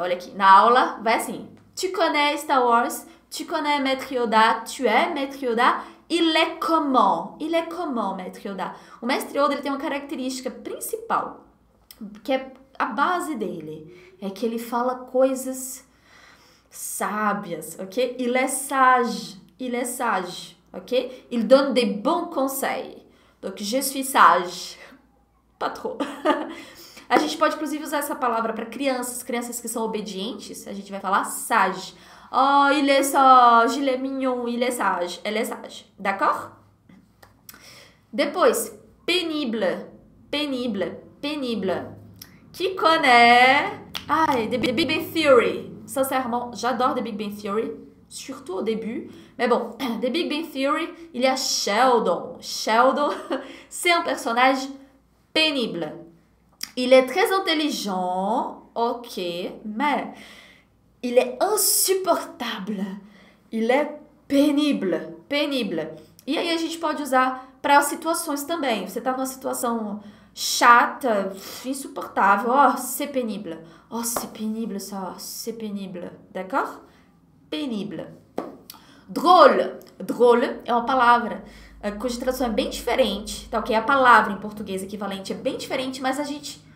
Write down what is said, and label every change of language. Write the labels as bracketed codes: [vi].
[pt] Olha aqui, na aula vai assim: [fr] tu connais Star Wars, tu connais Maître Yoda, tu es Maître Yoda, il est comment Maître Yoda? [pt] O Mestre Yoda, ele tem uma característica principal, que é a base dele, é que ele fala coisas sábias, ok? [fr] Il est sage, ok? Il donne des bons conseils, donc je suis sage. [pt] A gente pode inclusive usar essa palavra para crianças, crianças que são obedientes. A gente vai falar sage. [fr] Oh, il est sage, il est mignon, il est sage, elle est sage. D'accord? [pt] Depois, [fr] pénible, pénible, pénible. Qui connaît? Ah, The Big Bang Theory. Sincèrement, j'adore The Big Bang Theory, surtout au début. Mais bon, The Big Bang Theory, il y a Sheldon. Sheldon, c'est un personnage pénible. Il est très intelligent, ok, mais il est insupportable. Il est pénible, pénible. [pt] E aí a gente pode usar para situações também. Você tá numa situação chata, insuportável. [fr] Oh, c'est pénible. Oh, c'est pénible ça, c'est pénible. D'accord? Pénible. Drôle. Drôle [pt] é uma palavra cuja tradução é bem diferente, tá ok? A palavra em português equivalente é bem diferente, mas a gente.